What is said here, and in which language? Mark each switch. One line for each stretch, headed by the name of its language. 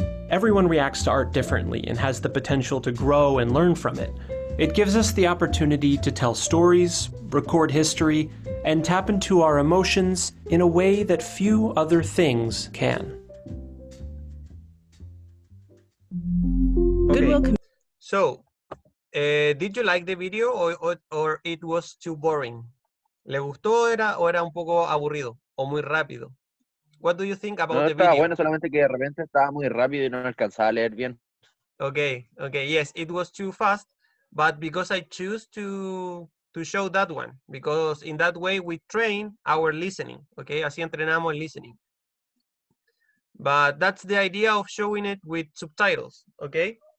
English: Everyone reacts to art differently and has the potential to grow and learn from it. It gives us the opportunity to tell stories, record history, and tap into our emotions in a way that few other things can. Okay. So, did you like the video or it was too boring?
Spanish: ¿Le gustó o era un poco aburrido o muy rápido?
English: What do you think about no, the video?
Spanish: No, bueno, solamente que de repente estaba muy rápido y no alcanzaba a leer bien.
English: Okay, okay, yes, it was too fast, but because I choose to show that one, because in that way we train our listening, okay?
Spanish: Así entrenamos el listening.
English: But that's the idea of showing it with subtitles, okay?